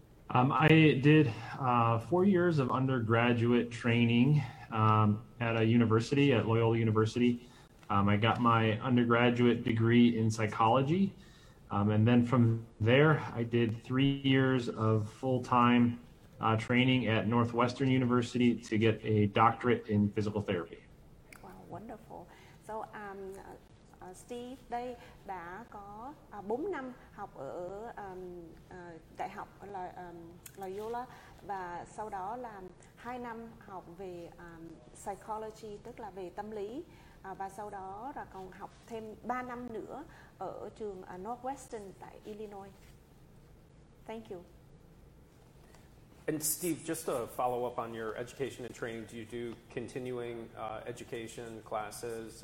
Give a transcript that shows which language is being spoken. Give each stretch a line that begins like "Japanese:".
English: I did 4 years of undergraduate training at a university, at Loyola University. I got my undergraduate degree in psychology, and then from there, I did 3 years of full-time training at Northwestern University to get a doctorate in physical therapy. Wow, wonderful.
Vietnamese: So, Steve đây đã có 4 năm học ở Đại học Loyola và sau đó là 2 năm học về psychology, tức là về tâm lý. Và sau đó là còn học thêm 3 năm nữa ở trường Northwestern tại Illinois.
English: Thank you. And Steve, just to follow up on your education and training, do you do continuing education classes?